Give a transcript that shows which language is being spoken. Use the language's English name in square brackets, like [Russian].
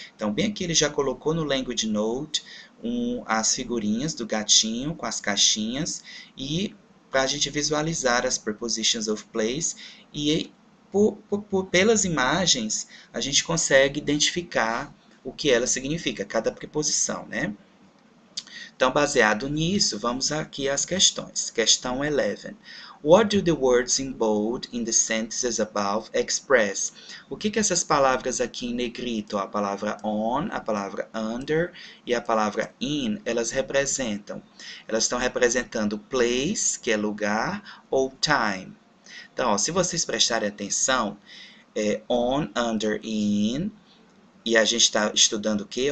[Portuguese] Então, bem aqui ele já colocou no language note as figurinhas do gatinho com as caixinhas e para a gente visualizar as prepositions of place e pelas imagens a gente consegue identificar o que ela significa, cada preposição, né? Então, baseado nisso, vamos aqui às questões. Questão 11. [English] What do the words in bold in the sentences above express? [Portuguese] O que que essas palavras aqui em negrito, a palavra on, a palavra under e a palavra in, elas representam? Elas estão representando place, que é lugar, ou time. Então, ó, se vocês prestarem atenção, é on, under, in, e a gente está estudando o quê?